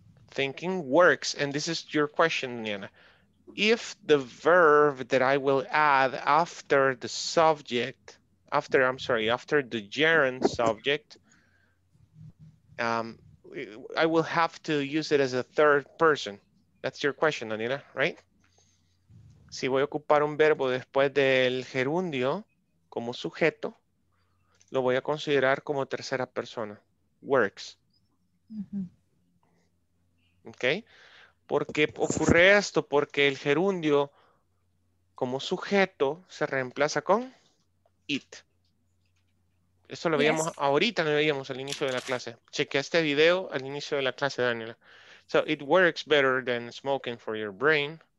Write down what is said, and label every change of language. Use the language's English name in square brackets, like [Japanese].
[English] Thinking works, and this is your question, Nina. If the verb that I will add after the subject, after the gerund subject, I will have to use it as a third person. That's your question, Nina, right? [Spanish] Si voy a ocupar un verbo después del gerundio como sujeto, lo voy a considerar como tercera persona. Works. Okay. ¿Por qué ocurre esto? Porque el gerundio como sujeto se reemplaza con it. Esto lo veíamos ahorita, lo veíamos al inicio de la clase. Chequea este video al inicio de la clase, Daniela. [English] So it works better than smoking for your brain.